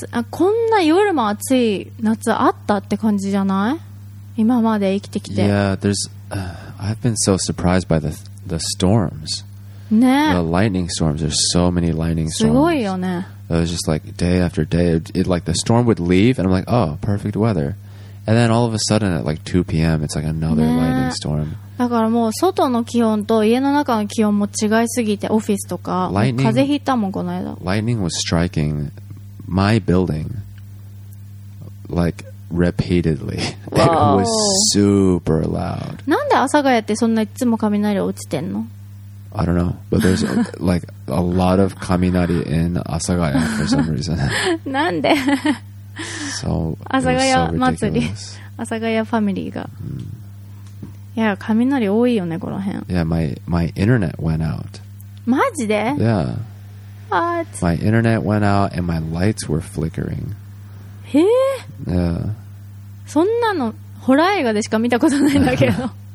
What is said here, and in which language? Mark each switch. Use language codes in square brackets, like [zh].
[ja] こんな夜も暑い夏あったって感じじゃない？今まで生きてきて [en] Yeah, there's I've been so surprised by the storms [ja] ね、 [en] the lightning storms. There's so many lightning storms. [ja] すごいよね。 [en] It was just like day after day. It like the storm would leave, and I'm like, oh, perfect weather. And then all of a sudden, at like 2 p.m., it's like another、ね、lightning storm. [ja] だからもう外の気温と家の中の気温も違いすぎて、オフィスとか風邪ひいたもんこの間。 [en] Lightning was striking my building like repeatedly. It was super loud. [ja] なんで阿佐ヶ谷ってそんないつも雷落ちてんの？ [en] I don't know, but there's like a lot of kaminari in Asagaya for some reason. [ja] なんで? [en] So, it's so ridiculous. Asagaya family. Yeah, kaminari [ja] 多いよね、この辺。 [en] Yeah, my internet went out. [ja] マジで? [en] Yeah. What? My internet went out and my lights were flickering. [ja] へぇ? [en] Yeah. [ja] そんなの、ホラー映画でしか見たことないんだけど。